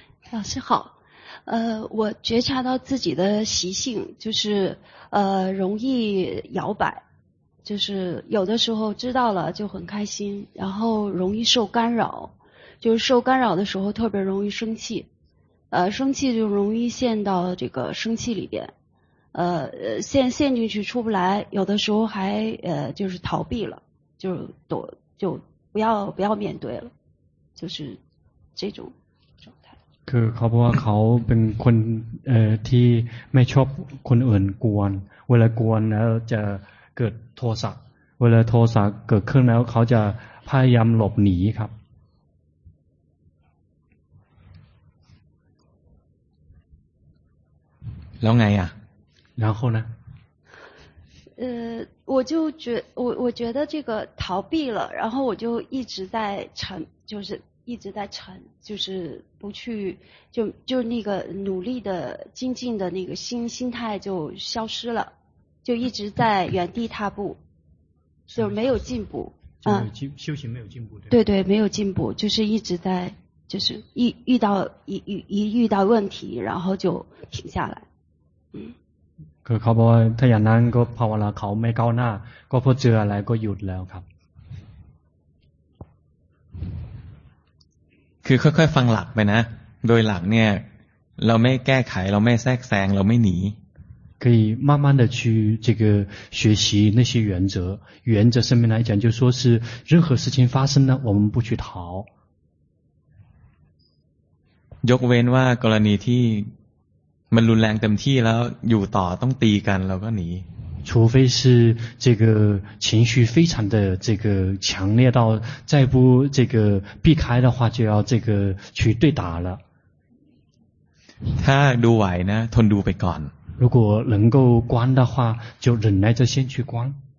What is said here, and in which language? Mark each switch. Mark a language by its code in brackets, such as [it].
[zh] 老师好我觉察到自己的习性就是容易摇摆就是有的时候知道了就很开心然后容易受干扰就是受干扰的时候特别容易生气生气就容易陷到这个生气里边陷进去出不来有的时候还就是逃避了就躲就不要面对了就是这种状态 [th] คือเขาบอกว่าเขาเป็นคนที่ไม่ชอบคนอื่นกวนเวลากวนแล้วจะเกิดโทสะเวลาโทสะเกิดขึ้นแล้วเขาจะพยายามหลบหนีครับ แล้วไงอ่ะ แล้วคนนะ [zh] 我就觉我觉得这个逃避了然后我就一直在沉就是一直在沉就是不去就那个努力的精进的那个心态就消失了就一直在原地踏步就没有进步修行没有进步对对没有进步就是一直在就是遇到问题然后就停下来 [th] คือเขาบอกว่าถ้าอย่างนั้นก็ภาวนาเขาไม่ก้าวหน้าก็พอเจออะไรก็หยุดแล้วครับ คือค่อยๆฟังหลักไปนะโดยหลักเนี่ยเราไม่แก้ไขเราไม่แทรกแซงเราไม่หนี [zh] 可以慢慢的去这个学习那些原则原则上面来讲就说是任何事情发生呢我们不去逃 [th] ยกเว้นว่ากรณีที่มันรุนแรงเต็มที่แล้วอยู่ต่อต้องตีกันเราก็หนี [zh] 除非是这个情绪非常的这个强烈到再不这个避开的话就要这个去对打了 [th] ถ้าดูไหวนะทนดูไปก่อน [zh] 如果能够关的话就忍耐着先去关